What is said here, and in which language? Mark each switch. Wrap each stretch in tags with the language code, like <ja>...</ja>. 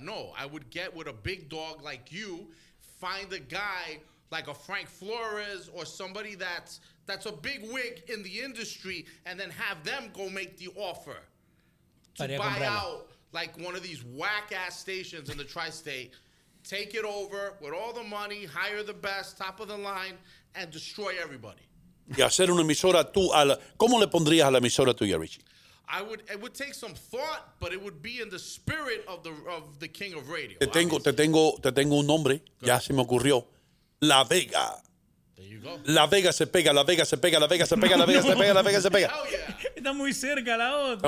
<en>No, I would get with a big dog like you, find a guy like a Frank Flores or somebody that's a big wig in the industry, and then have them go make the offer to buy out like one of these whack-ass stations in the tri-state, take it over with all the money, hire the best, top of the line, and destroy everybody.</en> <es>Y hacer una emisora tú a la, ¿cómo le pondrías a la emisora tuya, Richie?</es> <en>It would take some thought, but it would be in the spirit of the king of radio.</en> <es>Te tengo un nombre,</es> <en>good.</en> <es>Ya se me ocurrió. La Vega.</es> <en>There you go.</en> <es>La Vega se pega, La Vega se pega, La Vega se pega, La Vega se pega, La Vega se pega.</es> <en>Yeah.</en> <es>Está muy cerca la otra.</es>